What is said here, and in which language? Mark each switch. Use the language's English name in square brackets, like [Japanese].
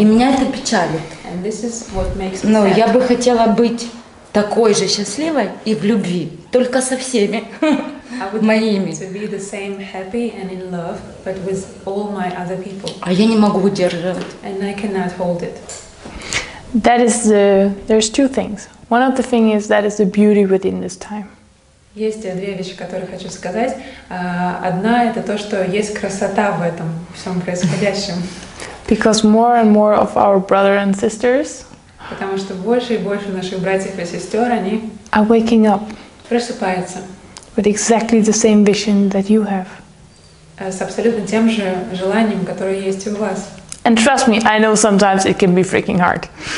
[Russian] И меня это печалит. [English] And this is what makes me sad. [Russian] Ну, я бы хотела быть такой же счастливой и в любви, только со всеми моими. [English] To be the same happy and in love, but with all my other people. [Russian] А я не могу удержать. [English] And I cannot hold it. That is the. There's two things. One of the things is that is the beauty within this time. [Russian] Есть две вещи, которые хочу сказать. Одна — это то, что есть красота в этом всем происходящем. [English] Because more and more of our brothers and sisters. [Russian] Потому что больше и больше наших братьев и сестер, они [English] are waking up [Russian] просыпаются [English] with exactly the same vision that you have. [Russian] С абсолютно тем же желанием, которое есть у вас. [English] And trust me, I know sometimes it can be freaking hard.